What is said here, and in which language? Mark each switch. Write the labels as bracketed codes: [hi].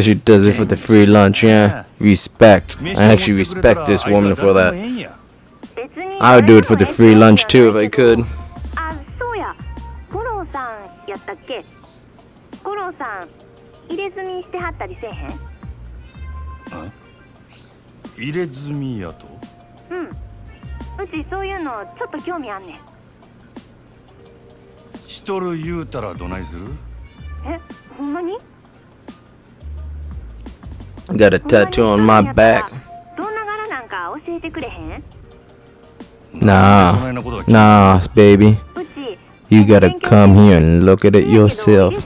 [en] she does it for the free lunch, yeah. Respect. I actually respect this woman for that. I would do it for the free lunch too if I could. [ja] あ、そうや。コロさんやったっけ?コロさん、入れ墨してはったりせへん?あ?入れ墨やと?うん。うちそういうのちょっと興味あんねん。しとる言うたらどないする?え?ほんまに? [en] Got a tattoo on my back. [ja] どんな柄なんか教えてくれへん? [en] Nah, baby. You gotta come here and look at it yourself.